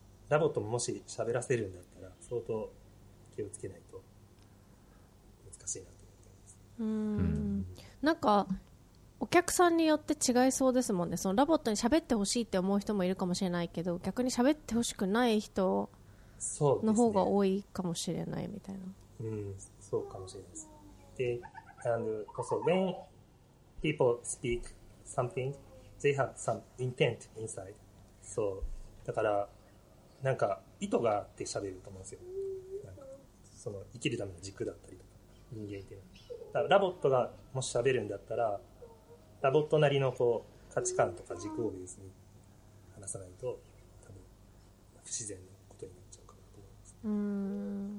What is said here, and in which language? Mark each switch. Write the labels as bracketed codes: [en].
[ja] ラボットももし喋らせるんだったら相当気をつけないと難しいなと思います。なんかお客さんによって違いそうですもんね。そのラボットに喋ってほしいって思う人もいるかもしれないけど、逆に喋ってほしくない人の方が多いかもしれないみたいな。そうですね。そうかもしれないです。 [en] で、and also when people speak something, they have some intent inside. [ja] そう。だから、なんか意図があって喋ると思うんですよ。なんかその生きるための軸だったりとか、人間っていうのは。だからラボットがもし喋るんだったら、ラボットなりのこう価値観とか軸をベースに話さないと、多分不自然なことになっちゃうかなと思います。